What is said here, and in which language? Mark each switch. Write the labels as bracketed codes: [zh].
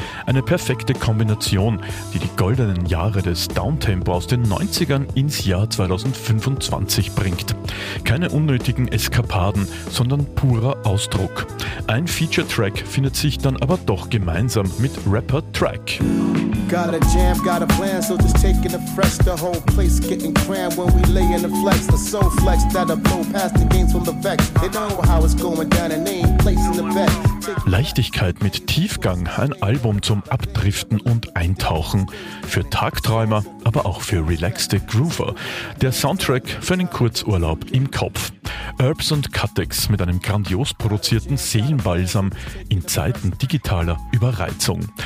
[de] Eine perfekte Kombination, die die goldenen Jahre des Downtempo aus den 90ern ins Jahr 2025 bringt. Keine unnötigen Eskapaden, sondern purer Ausdruck. Ein Feature-Track findet sich dann aber doch gemeinsam mit Rapper Track. [en] Got a jam, got a plan, so just taking a fresh. The whole place getting crammed when we lay in the flex. The soul flex that'll blow past the games from the vex. They know how it's going down and they ain't placing the bet. [de] Leichtigkeit mit Tiefgang, ein Album zum Abdriften und Eintauchen. Für Tagträumer, aber auch für relaxte Groover. Der Soundtrack für einen Kurzurlaub im Kopf. Erbs und Cuttex mit einem grandios produzierten Seelenbalsam in Zeiten digitaler Überreizung.